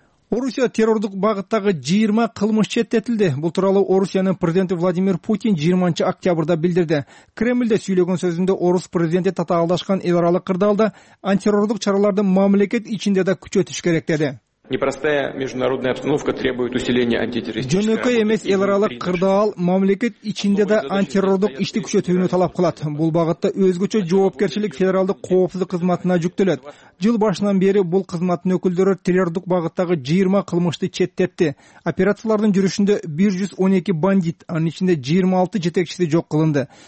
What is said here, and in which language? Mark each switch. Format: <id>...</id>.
<ky>Орусия террордук багыттагы 20 кылмыш четтетилди. Бул тууралуу Орусиянын президенти Владимир Путин 20 октябрда билдирди. Кремльде сүйлөгөн сөзүндө орус президенти татаалдашкан эл аралык кырдаалда антитеррордук чараларды мамлекет ичинде да күчөтүш керек деди.</ky> <ru>Непростая международная обстановка требует усиления антитеррористической.</ru> <ky>Жөнөкөй эмес эл аралык кырдаал мамлекет ичинде да антитеррордук ишти күчөтүүнү талап кылат. Бул багытта өзгөчө жоопкерчилик федералдык коопсуздук кызматына жүктөлөт. Жыл башынан бери бул кызматтын өкүлдөрү террордук багыттагы 20 кылмышты четтетти. Операциялардын жүрүшүндө 112 бандит, анын ичинде 26 жетекчиси жок кылынды.</ky>